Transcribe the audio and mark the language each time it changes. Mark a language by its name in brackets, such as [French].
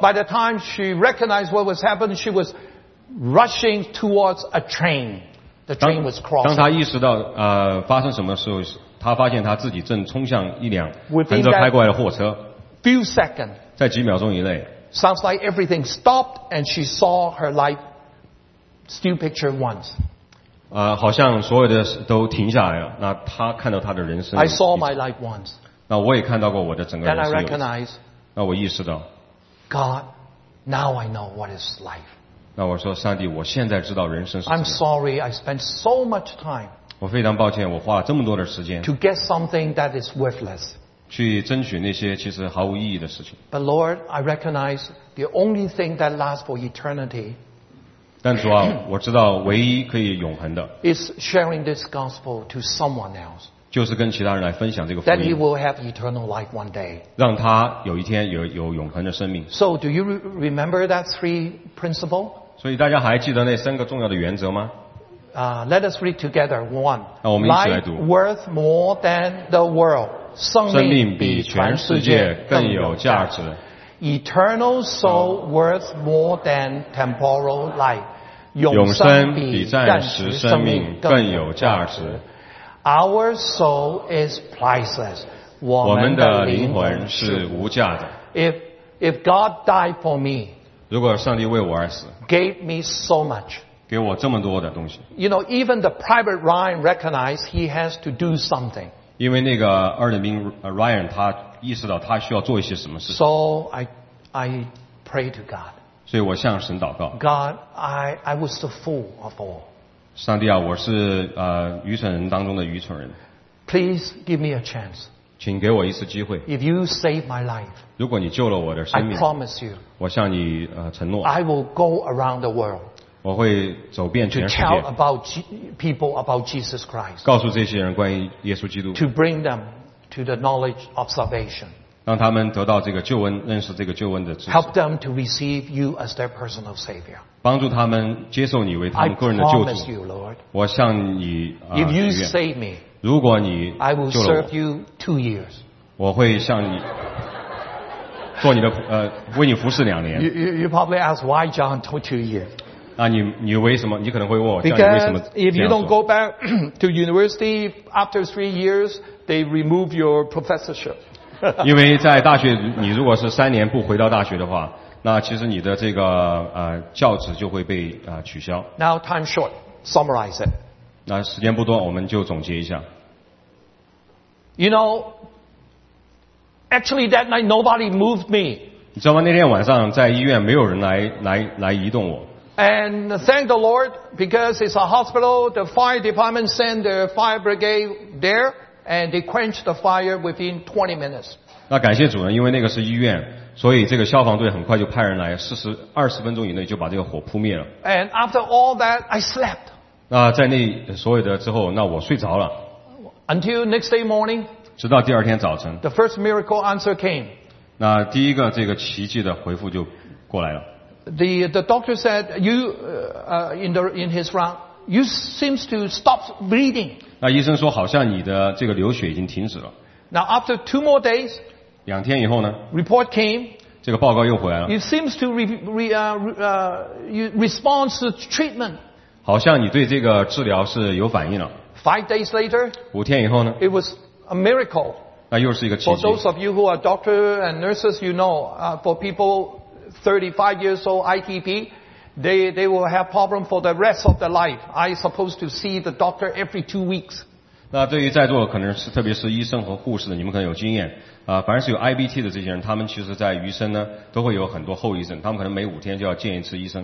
[English] By the time she recognized what was happening, she was rushing towards a train. The train was crossing. [Chinese] 当她意识到发生什么时候。他发现他自己正冲向一辆横着开过来的货车。 [English] Few seconds, [Chinese] 在几秒钟以内。 [English] Sounds like everything stopped and she saw her life still picture once. [Chinese] 好像所有的都停下来了。那他看到他的人生。 [English] I saw my life once. [Chinese] 那我也看到过我的整个人生。 [English] Then I recognize. [Chinese] 那我意识到。 [English] God, now I know what is life. [Chinese] 那我说上帝，我现在知道人生是什么。 [English] I'm sorry, I spent so much time. [Chinese] 我非常抱歉，我花了这么多的时间。 [English] To get something that is worthless. [Chinese] 去争取那些其实毫无意义的事情。 [English] But Lord, I recognize the only thing that lasts for eternity. [Chinese] 但主啊，我知道唯一可以永恒的。 [English] Is sharing this gospel to someone else. [Chinese] 就是跟其他人来分享这个福音。 [English] That he will have eternal life one day. [Chinese] 让他有一天有永恒的生命。 [English] So do you remember that three principle? [Chinese] 所以大家还记得那三个重要的原则吗？ [English] Let us read together. One, [Chinese] 那我们一起来读 [English] life worth more than the world. [Chinese] 生命比全世界更有价值。 [English] Eternal soul worth more than temporal life. [Chinese] 永生比暂时生命更有价值。 [English] Our soul is priceless. [Chinese] 我们的灵魂是无价的。 [English] If God died for me, [Chinese] 如果上帝为我而死 [English] gave me so much. [Chinese] 给我这么多的东西。 [English] You know, even the private Ryan recognized he has to do something. [Chinese] 因为那个二等兵 Ryan 他意识到他需要做一些什么事。 [English] So I pray to God. [Chinese] 所以我向神祷告。 [English] God, I was the fool of all. [Chinese] 上帝啊，我是愚蠢人当中的愚蠢人。 [English] Please give me a chance. [Chinese] 请给我一次机会。 [English] If you save my life, [Chinese] 如果你救了我的生命 [English] I promise you, [Chinese] 我向你承诺。 [English] I will go around the world. [Chinese] 我会走遍全世界 [English] to tell about people about Jesus Christ [Chinese] 告诉这些人关于耶稣基督 [English] to bring them to the knowledge of salvation [Chinese] 让他们得到这个救恩，认识这个救恩的知识。 [English] Help them to receive you as their personal savior. [Chinese] 帮助他们接受你为他们个人的救主。 [English] I promise you, Lord. [Chinese] 我向你啊愿。 [English] If you save me, [Chinese] 如果你救了我， [English] I will serve you 2 years. [Chinese] 我会向你做你的为你服侍两年。 [English] You probably ask why John took 2 years. [Chinese] 那你为什么？你可能会问我，这样你为什么这样做？ [English] Because if you don't go back to university after 3 years, they remove your professorship. [Chinese] 因为在大学你如果是3年不回到大学的话，那其实你的这个教职就会被取消。 [English] Now time short, summarize it. [Chinese] 那时间不多，我们就总结一下。 [English] You know, actually that night nobody moved me. [Chinese] 你知道吗？那天晚上在医院没有人来移动我。 [English] And thank the Lord, because it's a hospital, the fire department sent their fire brigade there. And they quenched the fire within 20 minutes. [Chinese] 那感谢主呢，因为那个是医院，所以这个消防队很快就派人来，20分钟以内就把这个火扑灭了。 [English] And after all that, I slept. [Chinese] 那在那所有的之后，那我睡着了。 [English] Until next day morning. [Chinese] 直到第二天早晨。 [English] The first miracle answer came. [Chinese] 那第一个这个奇迹的回复就过来了。 [English] The doctor said you in his round you seems to stop bleeding. [Chinese] 那医生说好像你的这个流血已经停止了。 [English] Now after 2 more days, [Chinese] 两天以后呢 [English] ,report came, [Chinese] 这个报告又回来了。 [English] It seems to respond to treatment. [Chinese] 好像你对这个治疗是有反应了。 [English] 5 days later, [Chinese] 5天以后呢 [English] ,it was a miracle. [Chinese] 那又是一个奇迹。 [English] For those of you who are doctors and nurses, you know, for people 35 years old ITP,They will have problem for the rest of their life. I supposed to see the doctor every 2 weeks. [Chinese] 那对于在座可能是特别是医生和护士的，你们可能有经验啊。凡是有 IBT 的这些人，他们其实在余生呢都会有很多后遗症，他们可能每5天就要见一次医生。